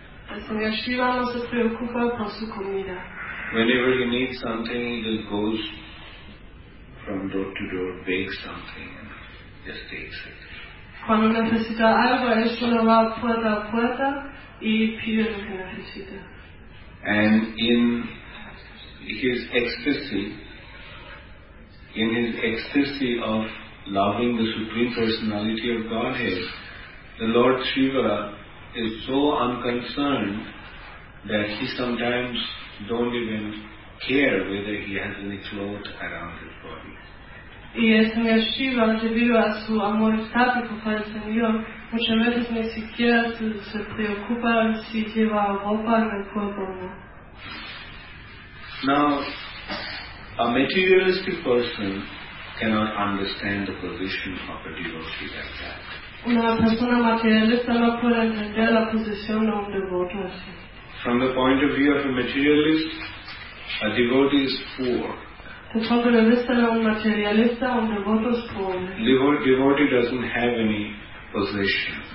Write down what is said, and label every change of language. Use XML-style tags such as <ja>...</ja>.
<es>El señor Shiva no se preocupa por su comida.</es> <en>Whenever he needs something, he just goes from door to door, bake something and just takes it.</en> <es>Cuando necesita algo, él solo va puerta a puerta y pide lo que necesita.</es> <en>And in his ecstasy, of loving the Supreme Personality of Godhead, the Lord Shiva is so unconcerned that he sometimes don't even care whether he has any clothes around his body.</en> <es>Y el señor Shiva, debido a su amor estático por el Señor, Muchas veces ni siquiera se preocupan si lleva ropa en el cuerpo o no.</es> <en>Now, a materialistic person cannot understand the position of a devotee like that.</en> <es>Una persona materialista no puede entender la posición de un devoto así.</es> <en>From the point of view of a materialist, a devotee is poor.</en> <es>Desde el punto de vista de un materialista, un devoto es pobre.</es> <en>Devotee doesn't have any position.</en>